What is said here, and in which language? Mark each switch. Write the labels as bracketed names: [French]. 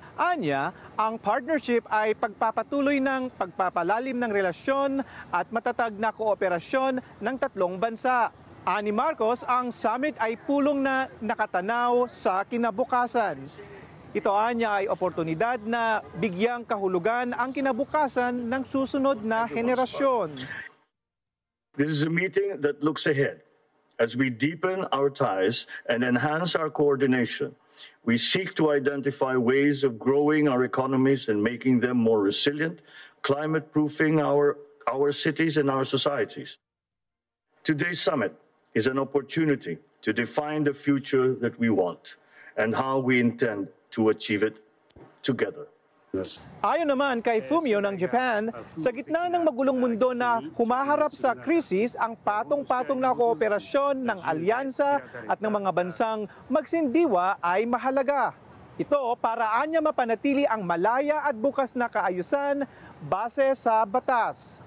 [Filipino] Anya, ang partnership ay pagpapatuloy ng pagpapalalim ng relasyon at matatag na kooperasyon ng tatlong bansa. Ani Marcos, ang summit ay pulong na nakatanaw sa kinabukasan. Ito anya ay oportunidad na bigyang kahulugan ang kinabukasan ng susunod na henerasyon. [English] This is a meeting that looks ahead. As we deepen our ties and enhance our coordination, we seek to identify ways of growing our economies and making them more resilient, climate-proofing our cities and our societies. Today's summit is an opportunity to define the future that we want and how we intend to achieve it together. Yes. [Filipino] Ayon naman kay Fumio ng Japan, sa gitna ng magulong mundo na humaharap sa krisis, ang patong-patong na kooperasyon ng alyansa at ng mga bansang magsindiwa ay mahalaga. Ito para anya mapanatili ang malaya at bukas na kaayusan base sa batas.